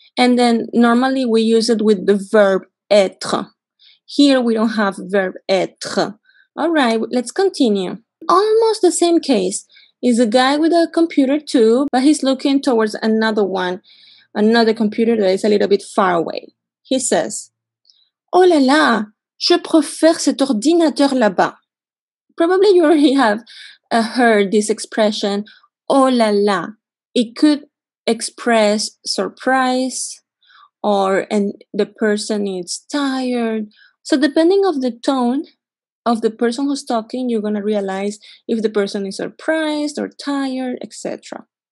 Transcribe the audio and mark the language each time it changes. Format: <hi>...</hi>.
<en>And then normally we use it with the verb être. Here we don't have verb être. All right, let's continue. Almost the same case. Is a guy with a computer too, but he's looking towards another one, another computer that is a little bit far away. He says,</en> <fr>"Oh là là, je préfère cet ordinateur là-bas."</fr> <en>Probably you already have heard this expression, "Oh là là." It could express surprise or and the person is tired. So depending on the tone of the person who's talking, you're going to realize if the person is surprised or tired, etc.</en>